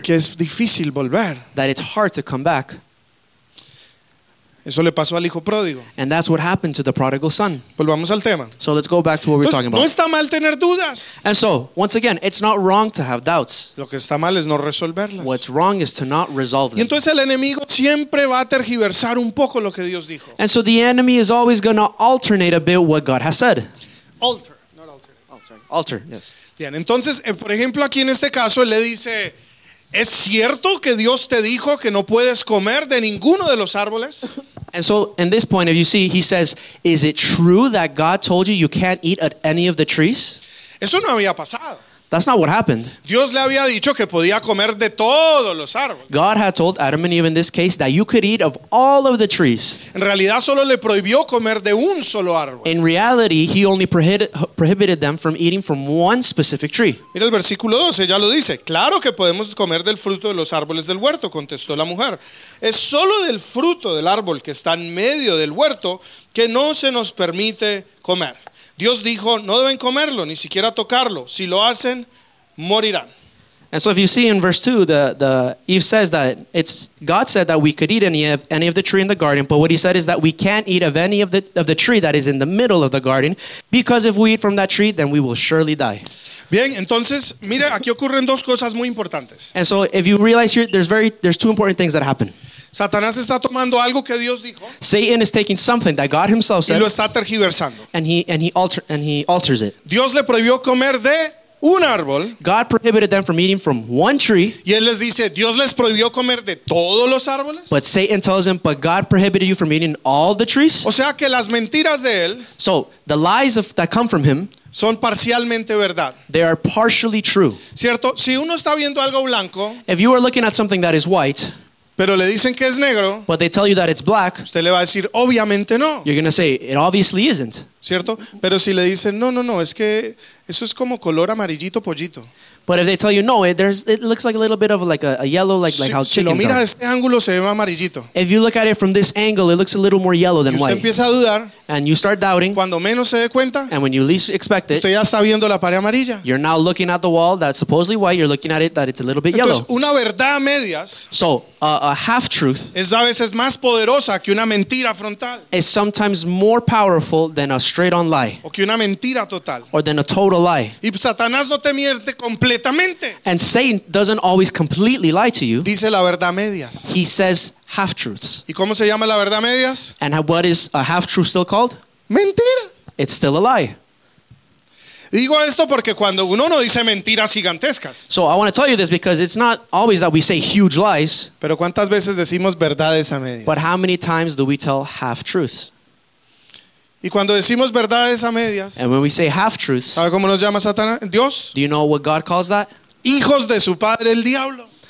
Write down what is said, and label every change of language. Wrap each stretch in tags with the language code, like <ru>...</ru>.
<es>que es difícil volver,</es> <en>that it's hard to come back.</en> <es>Eso le pasó al hijo pródigo.</es> <en>And that's what happened to the prodigal son.</en> <es>Volvamos al tema.</es> <en>So let's go back to what we're talking about.</en> <es>No está mal tener dudas.</es> <en>And so, once again, it's not wrong to have doubts.</en> <es>Lo que está mal es no resolverlas.</es> <en>What's wrong is to not resolve them.</en> <es>Y entonces el enemigo siempre va a tergiversar un poco lo que Dios dijo.</es> <en>And so the enemy is always going to alternate a bit what God has said. Alter, not alter. Alter. Alter, yes.</en> <es>Bien, entonces, por ejemplo, aquí en este caso, él le dice... ¿Es cierto que Dios te dijo que no puedes comer de ninguno de los árboles?</es> <en>And so, in this point, if you see, he says, is it true that God told you you can't eat at any of the trees?</en> <es>Eso no había pasado.</es> <en>That's not what happened.</en> <es>Dios le había dicho que podía comer de todos los árboles.</es> <en>God had told Adam and Eve in this case that you could eat of all of the trees.</en> <es>En realidad solo le prohibió comer de un solo árbol.</es> <en>In reality, he only prohibited them from eating from one specific tree.</en> <es>Mira el versículo 12, ya lo dice. Claro que podemos comer del fruto de los árboles del huerto, contestó la mujer. Es solo del fruto del árbol que está en medio del huerto que no se nos permite comer. Dios dijo, no deben comerlo, ni siquiera tocarlo. Si lo hacen, morirán.</es> <en>And so if you see in verse 2, the Eve says that it's God said that we could eat any of the tree in the garden, but what he said is that we can't eat of any of the tree that is in the middle of the garden, because if we eat from that tree, then we will surely die.</en> <es>Bien, entonces, mira, aquí ocurren dos cosas muy importantes.</es> <en>And so if you realize here, there's two important things that happen.</en> <es>Satanás está tomando algo que Dios dijo.</es> <en>Satan is taking something that God himself said.</en> <es>Y lo está tergiversando.</es> <en>And he alters it.</en> <es>Dios le prohibió comer de un árbol.</es> <en>God prohibited them from eating from one tree.</en> <es>Y él les dice, Dios les prohibió comer de todos los árboles.</es> <en>But Satan tells them, but God prohibited you from eating all the trees.</en> <es>O sea que las mentiras de él.</es> <en>So the lies that come from him.</en> <es>son parcialmente verdad.</es> <en>They are partially true.</en> <es>Cierto, si uno está viendo algo blanco,</es> <en>if you are looking at something that is white,</en> <es>pero le dicen que es negro,</es> <en>but they tell you that it's black,</en> <es>usted le va a decir obviamente no.</es> <en>You're going to say it obviously isn't.</en> <es>Cierto, pero si le dicen no, no, no, es que eso es como color amarillito pollito.</es> <en>But if they tell you no, it looks like a little bit of like a yellow, like</en> <es>si,</es> <en>like how chickens</en> <es>si lo mira</es> <en>are.</en> <es>Este ángulo, se ve amarillito.</es> <en>If you look at it from this angle, it looks a little more yellow than</en> <es>usted</es> <en>white.</en> <es>Empieza a dudar,</es> <en>and you start doubting.</en> <es>Cuando menos se dé cuenta,</es> <en>and when you least expect it,</en> <es>usted ya está viendo la pared amarilla.</es> <en>You're now looking at the wall that's supposedly white. You're looking at it that it's a little bit</en> <es>entonces,</es> <en>yellow.</en> <es>Una verdad a medias,</es> <en>so a half truth</en> <es>es a veces más poderosa que una mentira frontal.</es> <en>Is sometimes more powerful than a straight on lie.</en> <es>O que una mentira total.</es> <en>Or than a total lie.</en> <es>Y Satanás no te miente completamente.</es> <en>And Satan doesn't always completely lie to you.</en> <es>Dice la verdad medias.</es> <en>He says half truths.</en> <es>¿Y cómo se llama la verdad medias?</es> <en>And what is a half truth still called?</en> <es>Mentira.</es> <en>It's still a lie.</en> <es>Digo esto porque cuando uno no dice mentiras gigantescas.</es> <en>So I want to tell you this because it's not always that we say huge lies.</en> <es>Pero ¿cuántas veces decimos verdades a medias?</es> <en>But how many times do we tell half truths?</en> <es>Y cuando decimos verdades a medias,</es> <en>and when we say half truths,</en> <es>¿sabe cómo nos llama Satanás? Dios.</es> <en>Do you know what God calls that?</en> <es>Hijos de su padre, el diablo.</es>